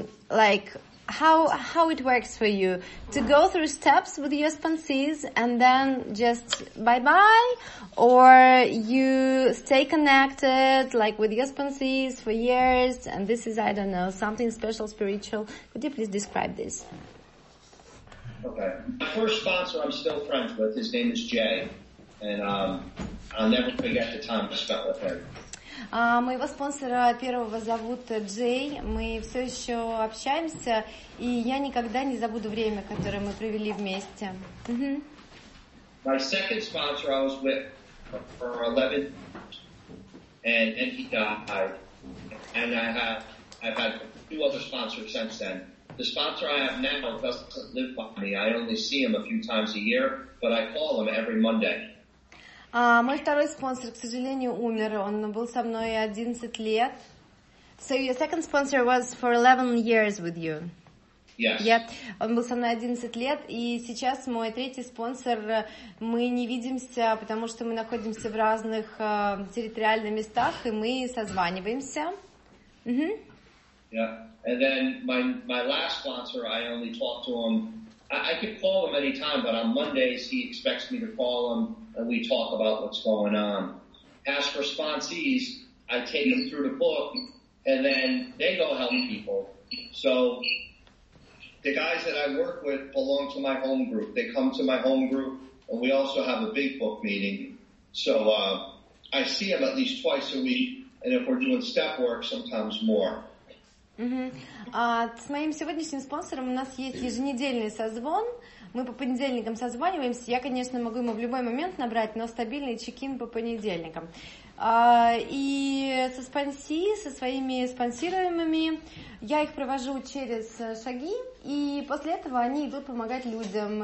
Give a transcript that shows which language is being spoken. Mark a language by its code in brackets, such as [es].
[en] Like how it works for you to go through steps with your sponsees and then just bye bye, or you stay connected like with your sponsees for years and this is I don't know something special spiritual. Could you please describe this? Okay, my first sponsor I'm still friends with. His name is Jay, and I'll never forget the time I spent with him. [ru] Моего спонсора первого зовут Джей, мы все еще общаемся, и я никогда не забуду время, которое мы провели вместе. [en] My second sponsor I was with for 11 years, and then he died, and I've had two other sponsors since then. The sponsor I have now doesn't live by me, I only see him a few times a year, but I call him every Monday. [ru] Мой второй спонсор, к сожалению, умер. Он был со мной 11 лет. [en] So your second sponsor was for 11 years with you. Yes. Yeah. [ru] Он был со мной 11 лет, и сейчас мой третий спонсор, мы не видимся, потому что мы находимся в разных территориальных местах, и мы созваниваемся. Mm-hmm. [en] Yeah. And then my last sponsor, I only talk to him. I could call him any time, but on Mondays he expects me to call him and we talk about what's going on. As for sponsees, I take them through the book and then they go help people. So the guys that I work with belong to my home group. They come to my home group and we also have a big book meeting. So I see them at least twice a week, and if we're doing step work, sometimes more. [ru] С моим сегодняшним спонсором у нас есть еженедельный созвон. Мы по понедельникам созваниваемся. Я, конечно, могу ему в любой момент набрать, но стабильный чек-ин по понедельникам. И со спонси, со своими спонсируемыми, я их провожу через шаги, и после этого они идут помогать людям.